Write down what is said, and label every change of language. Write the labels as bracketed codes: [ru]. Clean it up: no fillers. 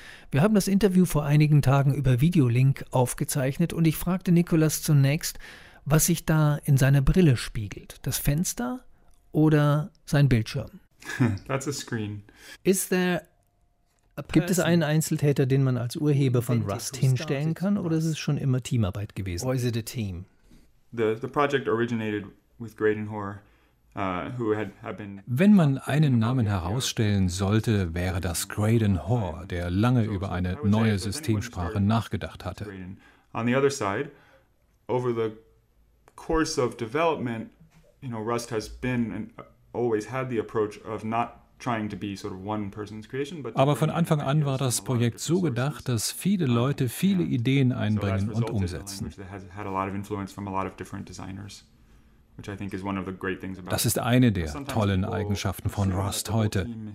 [de] Wir haben das Interview vor einigen Tagen über Videolink aufgezeichnet und ich fragte Nicolas zunächst, was sich da in seiner Brille spiegelt. Das Fenster oder sein Bildschirm? [en] That's a screen. Is there... [de] Gibt es einen Einzeltäter, den man als Urheber von Rust hinstellen kann, oder ist es schon immer Teamarbeit gewesen? [en] Or is it a team? The project originated with Graydon Hoare, who had been. [de] Wenn man einen Namen herausstellen sollte, wäre das Graydon Hoare, der lange über eine neue Systemsprache nachgedacht hatte. [en] On the other side, over the course of development, you know, Rust has been and always had the approach of not. [de] Aber von Anfang an war das Projekt so gedacht, dass viele Leute viele Ideen einbringen und umsetzen. Das ist eine der tollen Eigenschaften von Rust heute.